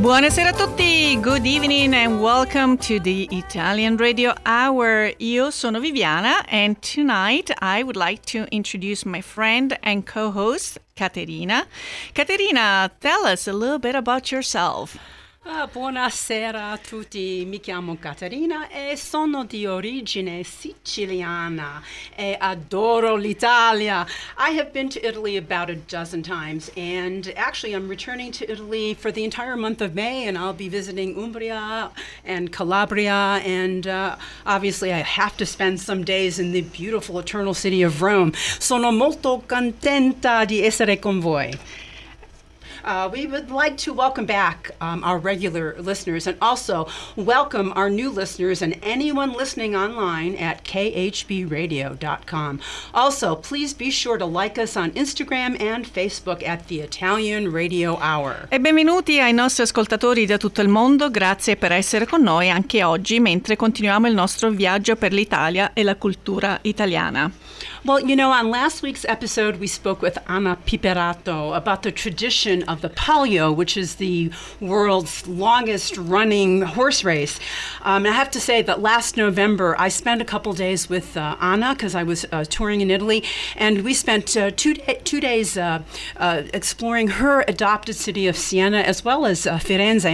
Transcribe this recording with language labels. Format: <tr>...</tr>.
<it>Buonasera a tutti.</it> <en>Good evening and welcome to the Italian Radio Hour.</en> <it>Io sono Viviana</it> <en>and tonight I would like to introduce my friend and co-host, Caterina. Caterina, tell us a little bit about yourself.</en> <it>Buonasera a tutti, mi chiamo Caterina e sono di origine siciliana e adoro l'Italia.</it> <en>I have been to Italy about a dozen times and actually I'm returning to Italy for the entire month of May and I'll be visiting Umbria and Calabria and obviously I have to spend some days in the beautiful eternal city of Rome.</en> <it>Sono molto contenta di essere con voi.</it> <en>We would like to welcome back our regular listeners and also welcome our new listeners and anyone listening online at khbradio.com. Also, please be sure to like us on Instagram and Facebook at the Italian Radio Hour.</en> <it>E benvenuti ai nostri ascoltatori da tutto il mondo. Grazie per essere con noi anche oggi mentre continuiamo il nostro viaggio per l'Italia e la cultura italiana.</it> <en>Well, you know, on last week's episode, we spoke with Anna Piperato about the tradition of the Palio, which is the world's longest running horse race. I have to say that last November, I spent a couple days with Anna because I was touring in Italy, and we spent two days exploring her adopted city of Siena as well as Firenze.</en>